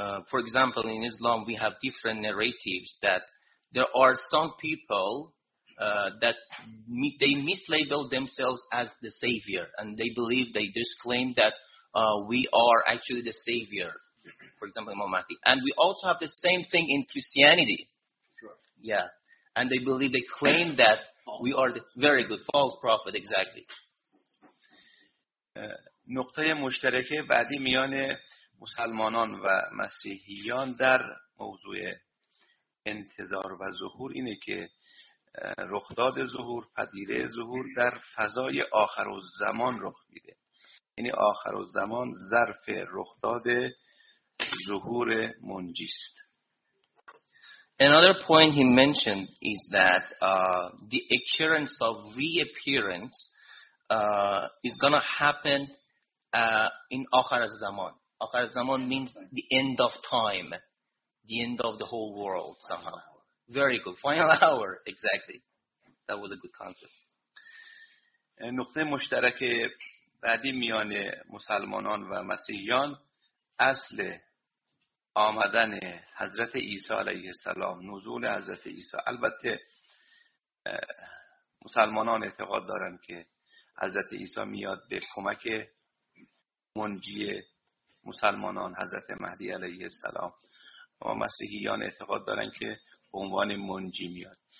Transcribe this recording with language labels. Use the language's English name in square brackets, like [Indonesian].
[English] For example, in Islam we have different narratives that there are some people that they mislabel themselves as the Savior, and they believe, they just claim that we are actually the Savior, for example Imam Mahdi. And we also have the same thing in Christianity. Sure. Yeah. And they believe, they claim that we are the very good false prophet, exactly. [Persian] نقطه مشترک بعدی میان مسلمانان و مسیحیان در موضوع انتظار و ظهور اینه که رخداد ظهور، پدیده ظهور در فضای آخرالزمان رخ میده. یعنی آخرالزمان ظرف رخداد ظهور منجی است. [English] Another point he mentioned is that the occurrence of reappearance is going to happen in Akhir al-Zaman. Akhir al-Zaman means the end of time, the end of the whole world somehow. Very good. Final hour, exactly. That was a good concept. [Persian] نقطه مشترک بعدی میان مسلمانان و مسیحیان اصل آمدن حضرت عیسی علیه السلام، نزول حضرت عیسی. البته مسلمانان اعتقاد دارند که حضرت عیسی میاد به کمک منجی مسلمانان، حضرت مهدی علیه السلام، و مسیحیان اعتقاد دارند که به عنوان منجی میاد.